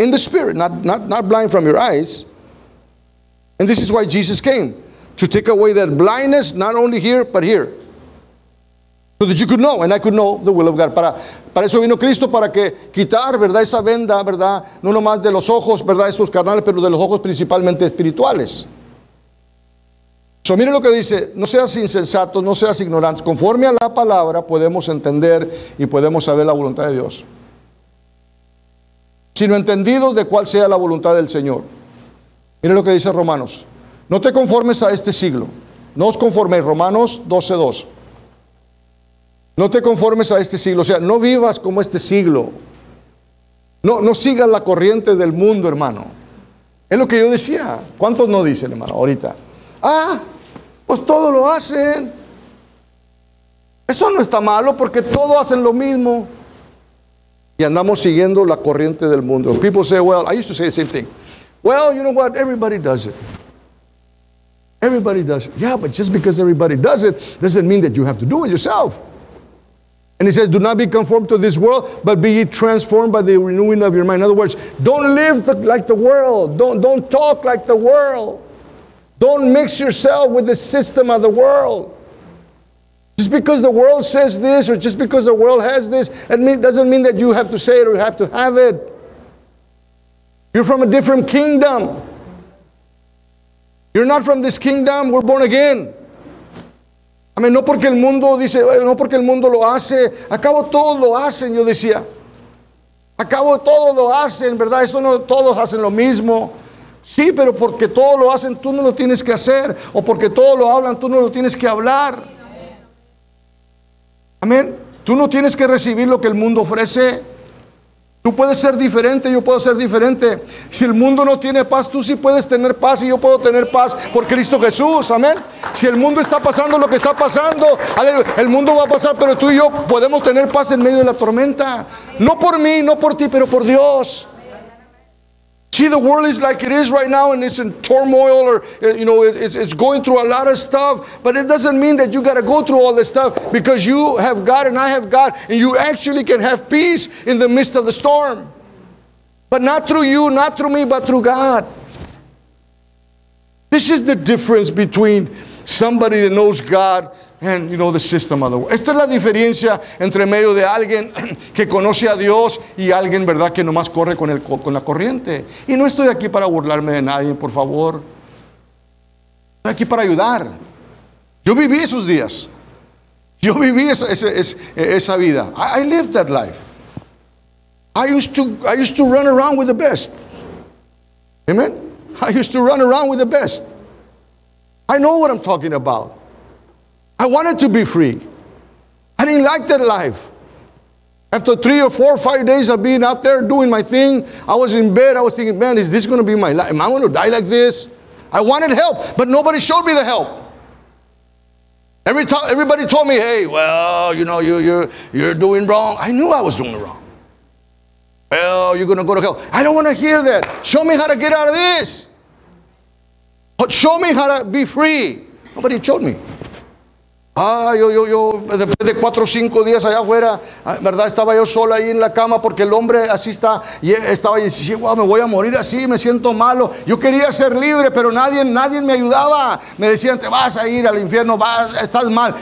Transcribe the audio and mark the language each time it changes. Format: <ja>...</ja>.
<en>In the spirit, not blind from your eyes. And this is why Jesus came. To take away that blindness, not only here, but here. So that you could know, and I could know, the will of God.</en> <es>Para eso vino Cristo, para que quitar, ¿verdad?, esa venda, ¿verdad?, no nomás de los ojos, ¿verdad?, estos carnales, pero de los ojos principalmente espirituales. So miren lo que dice, no seas insensato, no seas ignorante. Conforme a la palabra, podemos entender y podemos saber la voluntad de Dios. Sino entendido de cuál sea la voluntad del Señor. Miren lo que dice Romanos. No te conformes a este siglo. No os conforméis. Romanos 12:2. No te conformes a este siglo. O sea, no vivas como este siglo. No sigas la corriente del mundo, hermano. Es lo que yo decía. ¿Cuántos no dicen, hermano, ahorita? Ah, pues todo lo hacen. Eso no está malo porque todos hacen lo mismo. Y andamos siguiendo la corriente del mundo.</es> <en>People say, well, I used to say the same thing. Well, you know what? Everybody does it. Everybody does it. Yeah, but just because everybody does it doesn't mean that you have to do it yourself. And he says, do not be conformed to this world, but be ye transformed by the renewing of your mind. In other words, don't live like the world. Don't talk like the world. Don't mix yourself with the system of the world. Just because the world says this or just because the world has this, doesn't mean that you have to say it or you have to have it. You're from a different kingdom. You're not from this kingdom, we're born again. I mean,</en> <es>no porque el mundo dice, no porque el mundo lo hace, acabo todos lo hacen, yo decía. Acabo todos lo hacen, ¿verdad? Eso no, todos hacen lo mismo. Sí, pero porque todos lo hacen, tú no lo tienes que hacer. O porque todos lo hablan, tú no lo tienes que hablar. Amén. Tú no tienes que recibir lo que el mundo ofrece. Tú puedes ser diferente, yo puedo ser diferente. Si el mundo no tiene paz, tú sí puedes tener paz y yo puedo tener paz por Cristo Jesús. Amén. Si el mundo está pasando lo que está pasando, el mundo va a pasar, pero tú y yo podemos tener paz en medio de la tormenta. No por mí, no por ti, pero por Dios.</es> <en>See, the world is like it is right now and it's in turmoil or, you know, it's going through a lot of stuff. But it doesn't mean that you got to go through all this stuff because you have God and I have God and you actually can have peace in the midst of the storm. But not through you, not through me, but through God. This is the difference between somebody that knows God And you know the system of the world.</en> <es>Esta es la diferencia entre medio de alguien que conoce a Dios y alguien, verdad, que nomás corre con el con la corriente. Y no estoy aquí para burlarme de nadie, por favor. Estoy aquí para ayudar. Yo viví esos días. Yo viví esa vida.</es> <en>I lived that life. I used to run around with the best. Amen. I used to run around with the best. I know what I'm talking about. I wanted to be free. I didn't like that life. After 3 or 4 or 5 days of being out there doing my thing, I was in bed. I was thinking, man, is this going to be my life? Am I going to die like this? I wanted help, but nobody showed me the help. Everybody told me, hey, well, you know, you're doing wrong. I knew I was doing wrong. Well, you're going to go to hell. I don't want to hear that. Show me how to get out of this. But show me how to be free. Nobody showed me.</en> <es>Yo después de 4 o 5 días allá afuera, verdad, estaba yo solo ahí en la cama porque el hombre así está, y estaba y dice, wow, me voy a morir así, me siento malo. Yo quería ser libre, pero nadie me ayudaba. Me decían, te vas a ir al infierno, vas, estás mal.</es>